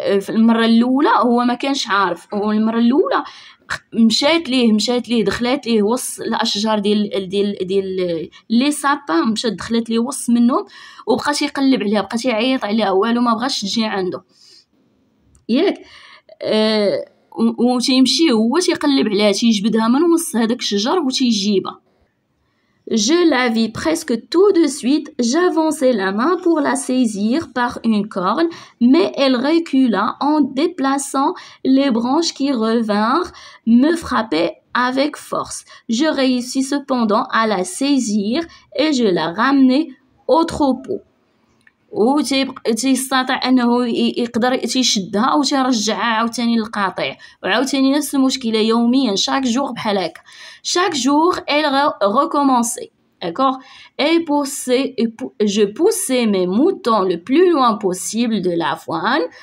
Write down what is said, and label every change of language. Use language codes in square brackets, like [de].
[ar] المرة الأولى هو ما كانش عارف والمرة الأولى مشات ليه دخلت ليه وسط الأشجار ديال لي سابان مشات دخلت ليه وسط منهم وبقات يقلب عليها بقات يعيط عليها والو ما بغاش تجي عنده ياك وتيمشي هو تيقلب عليها تيجبدها من وسط هذاك الشجر وتيجيبها. [fr] Je la vis presque tout de suite, j'avançai la main pour la saisir par une corne, mais elle recula en déplaçant les branches qui revinrent me frapper avec force. Je réussis cependant à la saisir et je la ramenai au troupeau. [ar] Ou تيستطيع انه يقدر تيشدها او تيرجعها عاوتاني للقاطيع وعاوتاني نفس المشكله يوميا [fr] chaque jour [ar] بحال هكا [fr] chaque jour elle recommençait. D'accord? Je poussais mes moutons le plus loin possible de l'avoine.